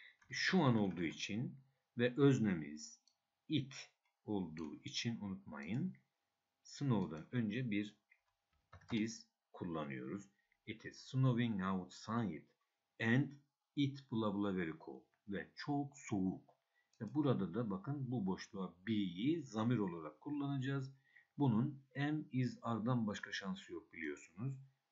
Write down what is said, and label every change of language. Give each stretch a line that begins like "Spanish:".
Turkish: Şu an olduğu için ve öznemiz it olduğu için unutmayın. Snow'dan önce bir is kullanıyoruz.
English: It is snowing outside and it blah blah very cold.
Turkish: Ve çok soğuk. Ve burada da bakın bu boşluğa be'yi zamir olarak kullanacağız. Bunun am, is, are'dan başka şansı yok biliyorsunuz.